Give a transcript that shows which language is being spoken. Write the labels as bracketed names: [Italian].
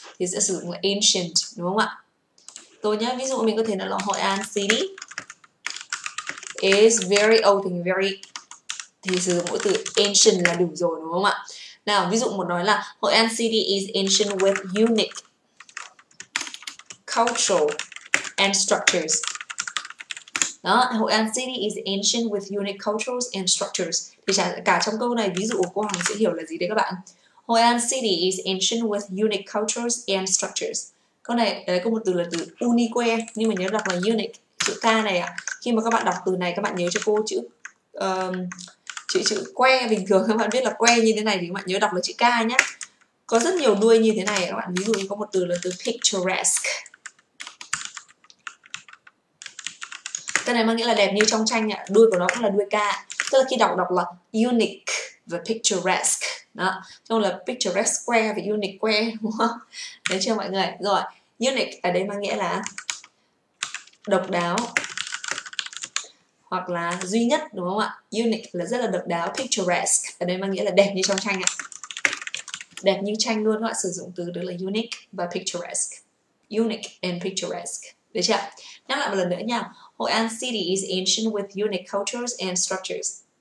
[Vietnamese] Thì sẽ sử dụng là ancient, đúng không ạ? Tôi nhớ, ví dụ mình có thể nói là [English] Hội An City is very old. [Vietnamese] Thì very, thì sử dụng mỗi từ ancient là đủ rồi, đúng không ạ? Nào, ví dụ một nói là [English] Hội An City is ancient with unique cultural and structures. Đó, Hội An City is ancient with unique cultures and structures. [Vietnamese] Thì cả trong câu này, ví dụ của cô Hằng sẽ hiểu là gì đấy các bạn? [English] Hội An City is ancient with unique cultures and structures. [Vietnamese] Câu này có một từ là từ unique, nhưng mà nhớ đọc là unique. Chữ K này ạ. Khi mà các bạn đọc từ này, các bạn nhớ cho cô chữ chữ que bình thường. Các bạn biết là que như thế này thì các bạn nhớ đọc là chữ K nhé. Có rất nhiều đuôi như thế này các bạn. Ví dụ có một từ là từ picturesque. Cái này mang nghĩa là đẹp như trong tranh ạ. Đuôi của nó cũng là đuôi ca. Tức là khi đọc đọc là unique và picturesque. Đó. Trong là picturesque square và unique square. Đấy chưa mọi người? Rồi. Unique ở đây mang nghĩa là độc đáo. Hoặc là duy nhất, đúng không ạ? Unique là rất là độc đáo. Picturesque ở đây mang nghĩa là đẹp như trong tranh ạ. Đẹp như tranh luôn các bạn. Sử dụng từ được là unique và picturesque. [English] Unique and picturesque. [Vietnamese] Được chưa? Nhắc lại một lần nữa nha. [English] Hội An City is ancient with unique cultures and structures.